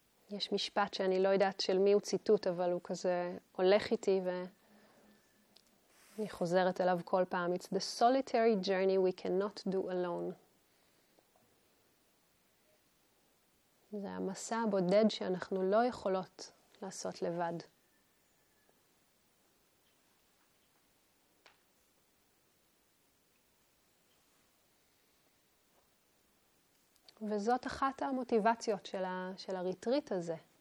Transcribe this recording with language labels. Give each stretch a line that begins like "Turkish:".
Hebrew: יש משפט שאני לא יודעת של מי הוא ציטוט, אבל הוא כזה הולך איתי ואני חוזרת אליו כל פעם.
English: It's the solitary journey we cannot do alone.
Hebrew: זה המסע הבודד שאנחנו לא יכולות לעשות לבד. וזאת אחת המוטיבציות של הריטריט הזה.